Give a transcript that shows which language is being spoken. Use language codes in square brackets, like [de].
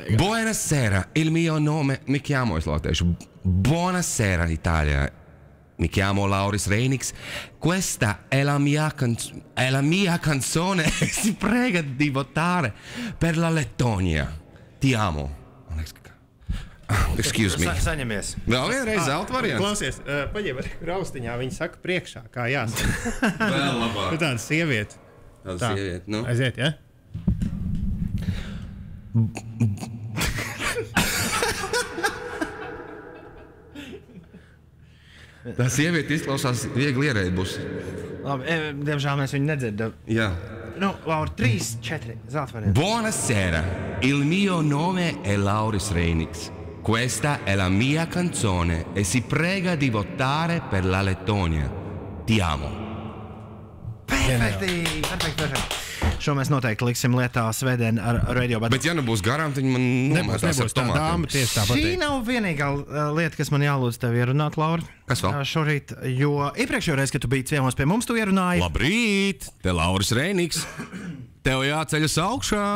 [it] Buonasera, il mio nome... Mi chiamo Slotesh. Buonasera, Italia. Mi chiamo Lauris Reiniks. Questa è la mia canzone... È la mia canzone e si prega di votare per la Lettonia. Ti amo. [en] Excuse me. [lv] Saņemies. Vēl vienreiz zelta variants. Klausies, paņem arī raustiņā, viņi saka priekšā, kā jāsaka. Vēl labāk. Tu tāda sieviete. Tāda sieviete, nu. Aiziet, ja? Tā sieviete izklausās viegli ierēt būs. Labi, diemžēl mēs viņu nedzirdam. Jā. Nu, Laura, 3, 4, zelta variants. [it] Buonasera, il mio nome è Lauris Reiniks. Questa è la mia canzone e si prega di votare per la Lettonia. Ti amo. Perfetti, perfetti, perfetti. [lv] Šo mēs noteikti liksim lietā svētdien ar radio. Bet ja nebūs garām, tad man nomētās ar tomātiem. Šī nav vienīgā lieta, kas man jālūdz tev ierunāt, Laura. Kas vēl? Šorīt, jo iepriekšējo reizi, kad tu biji ciemos pie mums, tu ierunāji. Labrīt, te Lauris Reiniks. Tev jāceļas augšā.